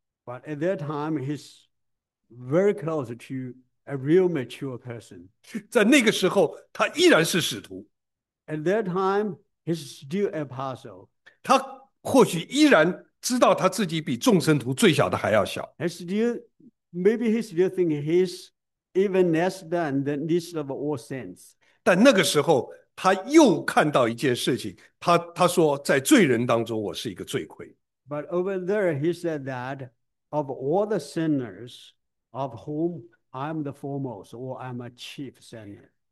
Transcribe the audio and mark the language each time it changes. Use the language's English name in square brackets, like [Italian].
[English] But at that time, he's very close to a real mature person. [Chinese] 在那个时候，他依然是使徒。 [English] At that time, he's still an apostle. [Chinese] 他或许依然知道他自己比众圣徒最小的还要小。 [English] Maybe he still thinks he's even less than the least of all saints. [Chinese] 但那个时候，他又看到一件事情，他说，在罪人当中，我是一个罪魁。 [English] But over there, he said that of all the sinners of whom I'm the foremost, or I'm a chief sinner.